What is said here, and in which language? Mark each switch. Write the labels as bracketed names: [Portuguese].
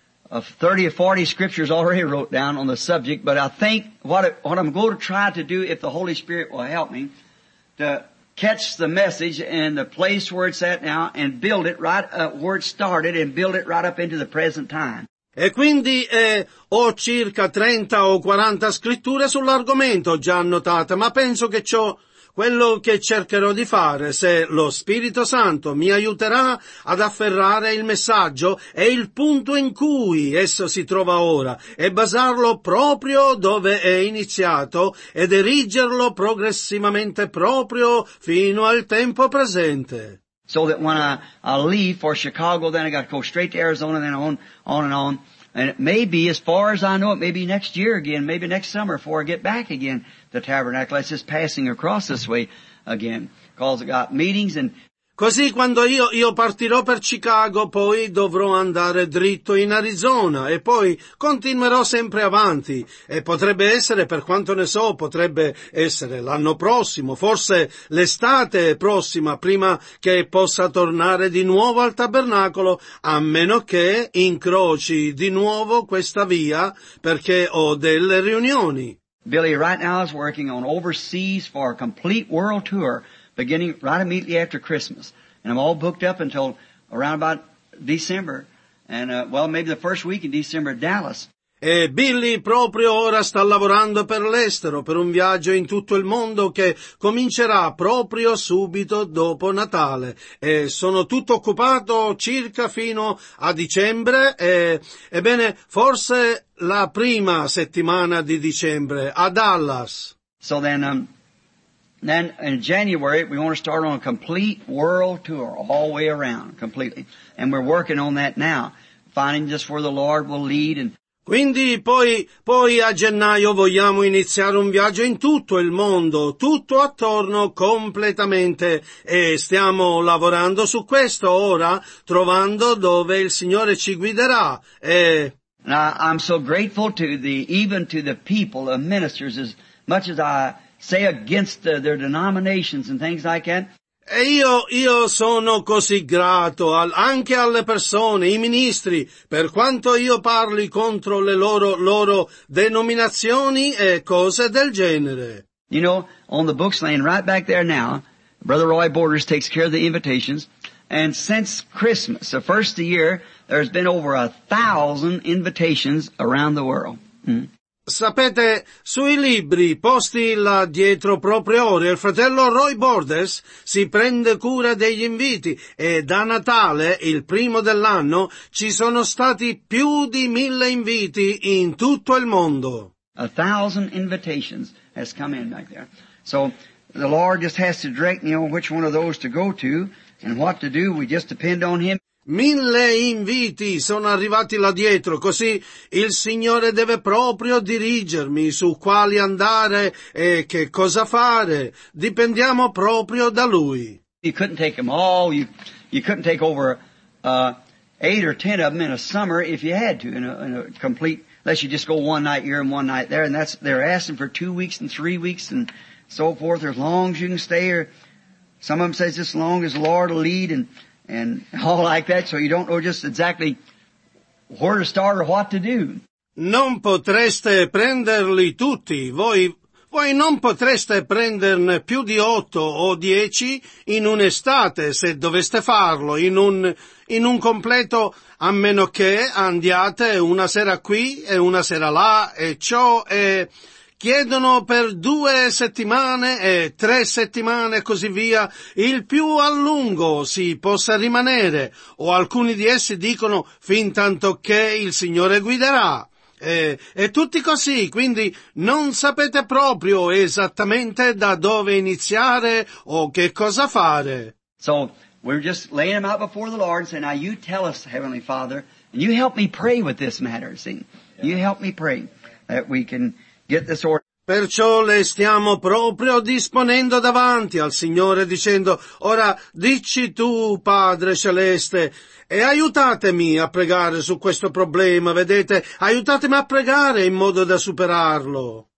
[English] of 30 or 40 scriptures already wrote down on the subject, but I think what I'm going to try to do, if the Holy Spirit will help me, to catch the message and the place where it's at now and build it right up where it started and build it right up into the present time. [Italian] E quindi ho circa 30 o 40 scritture sull'argomento già annotate, ma penso che ciò... Quello che cercherò di fare, se lo Spirito Santo mi aiuterà ad afferrare il messaggio e il punto in cui esso si trova ora, e basarlo proprio dove è iniziato ed erigerlo progressivamente proprio fino al tempo presente. [English] So that when I leave for Chicago, then I got to go straight to Arizona, then on and on. And it may be, as far as I know, it may be next year again, maybe next summer before I get back again, the tabernacle. It's just passing across this way again, because I got meetings and... [Italian] Così quando io partirò per Chicago, poi dovrò andare dritto in Arizona e poi continuerò sempre avanti. E potrebbe essere, per quanto ne so, potrebbe essere l'anno prossimo, forse l'estate prossima, prima che possa tornare di nuovo al tabernacolo, a meno che incroci di nuovo questa via, perché ho delle riunioni. [English] Billy right now is working on overseas for a complete world tour. Beginning right immediately after Christmas. And I'm all booked up until around about December. And maybe the first week in December, Dallas. [Italian] E Billy proprio ora sta lavorando per l'estero, per un viaggio in tutto il mondo che comincerà proprio subito dopo Natale. E sono tutto occupato circa fino a dicembre. Ebbene, forse la prima settimana di dicembre a Dallas. [English] So then... Then in January we want to start on a complete world tour all the way around completely, and we're working on that now, finding just where the Lord will lead. And [Italian] quindi poi a gennaio vogliamo iniziare un viaggio in tutto il mondo, tutto attorno completamente, e stiamo lavorando su questo ora, trovando dove il Signore ci guiderà. E [English] I'm so grateful to the even to the people of ministers as much as I say against their denominations and things like that. [Italian] E io sono così grato anche alle persone, i ministri, per quanto io parli contro le loro denominazioni e cose del genere. [English] You know, on the books laying right back there now, Brother Roy Borders takes care of the invitations, and since Christmas, the first of the year, there's been over 1,000 invitations around the world. [Italian] Sapete, sui libri posti là dietro proprio ora, il fratello Roy Borders si prende cura degli inviti e da Natale, il primo dell'anno, ci sono stati più di 1,000 inviti in tutto il mondo. [English] 1,000 invitations has come in back there. So the Lord just has to direct me on which one of those to go to and what to do. We just depend on Him. [Italian] 1,000 inviti sono arrivati là dietro, così il Signore deve proprio dirigermi su quali andare e che cosa fare. Dipendiamo proprio da Lui. [English] You couldn't take them all. You couldn't take over 8 or 10 of them in a summer if you had to, in a complete, unless you just go one night here and one night there. And that's, they're asking for 2 weeks and 3 weeks and so forth, as long as you can stay here. Some of them says as long as the Lord will lead and all like that, so you don't know just exactly where to start or what to do. [Italian] Non potreste prenderli tutti, voi non potreste prenderne più di 8 o 10 in un'estate se doveste farlo in un completo, a meno che andiate una sera qui e una sera là e ciò e chiedono per 2 settimane e 3 settimane e così via il più a lungo si possa rimanere, o alcuni di essi dicono fin tanto che il Signore guiderà. E tutti così, quindi non sapete proprio esattamente da dove iniziare o che cosa fare. [English] So, we're just laying them out before the Lord and saying, now you tell us, Heavenly Father, and you help me pray with this matter, see? You help me pray that we can get this order. [Italian] Perciò le stiamo proprio disponendo davanti al Signore dicendo, ora dici tu, Padre Celeste, e aiutatemi a pregare su questo problema, vedete? Aiutatemi a pregare in modo da superarlo.